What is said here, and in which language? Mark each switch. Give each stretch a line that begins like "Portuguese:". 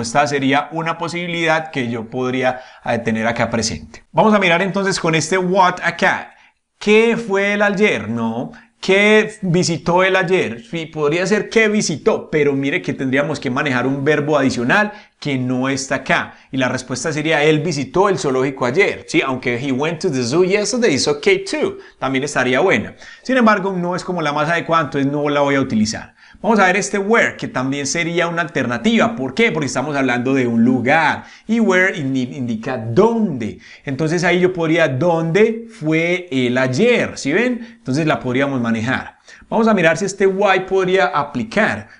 Spanish: Esta sería una posibilidad que yo podría tener acá presente. Vamos a mirar entonces con este what acá. ¿Qué fue él ayer? No. ¿Qué visitó él ayer? Sí, podría ser que visitó, pero mire que tendríamos que manejar un verbo adicional que no está acá. Y la respuesta sería, él visitó el zoológico ayer. Sí, aunque
English: he went to the zoo yesterday, it's okay too.
Spanish: También estaría buena. Sin embargo, no es como la más adecuada, entonces no la voy a utilizar. Vamos a ver este where, que también sería una alternativa. ¿Por qué? Porque estamos hablando de un lugar. Y where indica dónde. Entonces ahí yo podría, ¿dónde fue él ayer? ¿Sí ven? Entonces la podríamos manejar. Vamos a mirar si este why podría aplicar.